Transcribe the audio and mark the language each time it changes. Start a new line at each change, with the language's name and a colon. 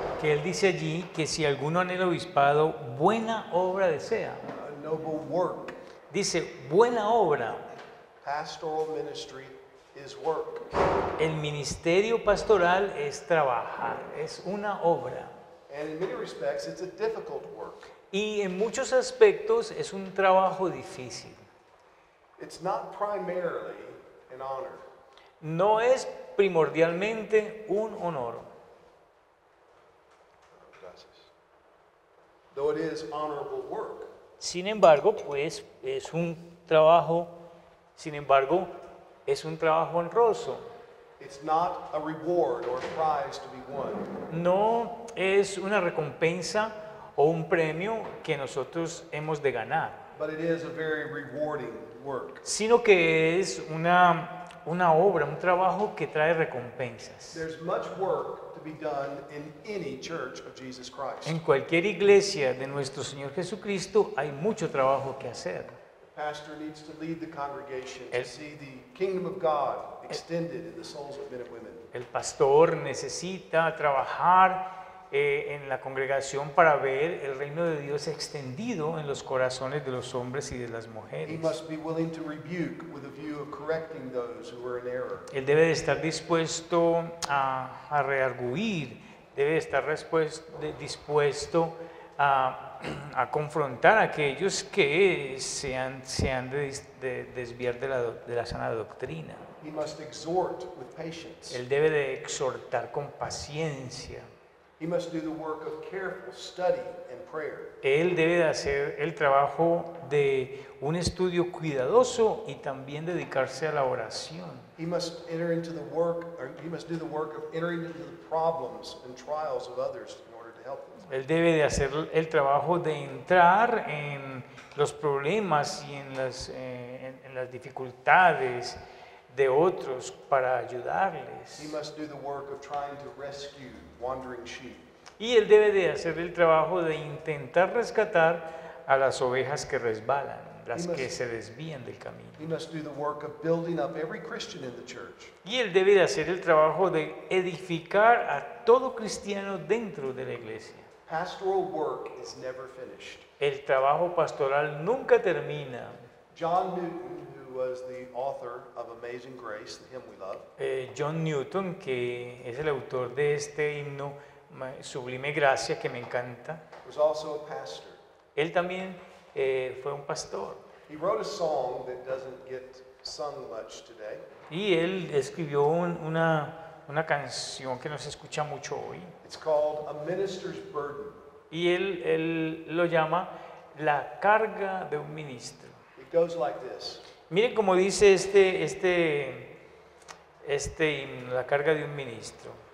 Spanish: Que él dice allí que si alguno anhela obispado, buena obra desea.
English: A noble work.
Spanish: Dice buena obra.
English: Pastoral ministry is work.
Spanish: El ministerio pastoral es trabajar, es una obra.
English: And in many respects, it's a difficult work.
Spanish: Y en muchos aspectos es un trabajo difícil.
English: It's not primarily an honor.
Spanish: No es primordialmente un honor. Gracias.
English: Though it is honorable work.
Spanish: Sin embargo, pues es un trabajo. Sin embargo, es un trabajo honroso.
English: It's not a reward or a prize to be won.
Spanish: No es una recompensa o un premio que nosotros hemos de ganar.
English: But it is a very rewarding work.
Spanish: Sino que es una obra, un trabajo que trae recompensas.
English: There's much work to be done in any church of Jesus Christ.
Spanish: En cualquier iglesia de nuestro Señor Jesucristo hay mucho trabajo que hacer.
English: Pastor needs to lead the congregation to see the kingdom of God extended in the souls of men and women.
Spanish: El pastor necesita trabajar en la congregación para ver el reino de Dios extendido en los corazones de los hombres y de las mujeres.
English: He must be willing to rebuke with a view of correcting those who are in error.
Spanish: Él debe de estar dispuesto a rearguir, debe de estar dispuesto a confrontar a aquellos que se han de desviar de la sana doctrina.
English: He must exhort with patience.
Spanish: Él debe de exhortar con paciencia.
English: He must do the work of careful study and prayer.
Spanish: Él debe de hacer el trabajo de un estudio cuidadoso y también dedicarse a la oración.
English: He must enter into the work, or he must do the work of entering into the problems and trials of others in order to help them.
Spanish: Él debe de hacer el trabajo de entrar en los problemas y en las dificultades de otros para ayudarles.
English: He must do the work of trying to rescue wandering sheep.
Spanish: Y él debe de hacer el trabajo de intentar rescatar a las ovejas que resbalan, las que se desvían del camino.
English: He must do the work of building up every Christian in the church.
Spanish: Y él debe de hacer el trabajo de edificar a todo cristiano dentro de la iglesia.
English: Pastoral work is never finished.
Spanish: El trabajo pastoral nunca termina.
English: John Newton, who was the author of Amazing Grace, the hymn we love.
Spanish: John Newton, que es el autor de este himno Sublime Gracia que me encanta.
English: Was also a pastor.
Spanish: Él también fue un pastor.
English: He wrote a song that doesn't get sung much today.
Spanish: Y él escribió una canción que no se escucha mucho hoy.
English: It's called A Minister's Burden.
Spanish: Y él lo llama La Carga de un Ministro.
English: It goes like this.
Spanish: Miren cómo dice este La Carga de un Ministro.